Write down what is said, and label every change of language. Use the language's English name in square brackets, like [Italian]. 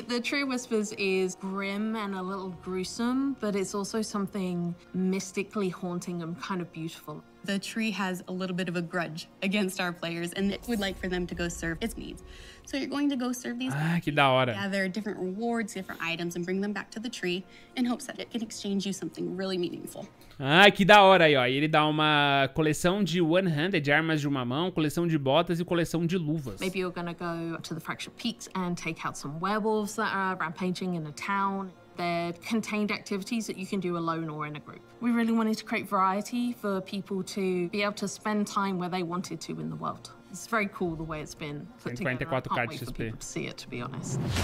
[English] The Tree of Whispers is grim and a little gruesome, but it's also something mystically haunting and kind of beautiful. The tree has a little bit of a grudge against our players, and it would like for them to go serve its needs. So you're going to go serve these. [Portuguese] Ah, que da hora. [English] Gather different rewards, different items, and bring them back to the tree in hopes that it can exchange you something really meaningful. [Portuguese] Ah, que da hora aí, ó. E ele dá uma coleção de one-handed, de armas de uma mão, coleção de botas e coleção de luvas. [English] Maybe you're going to go to the Fractured Peaks and take out some werewolves that are rampaging in a town. They're contained activities that you can do alone or in a group. We really wanted to create variety for people to be able to spend time where they wanted to in the world. It's very cool the way it's been put together. I can't wait for people to see it, to be honest.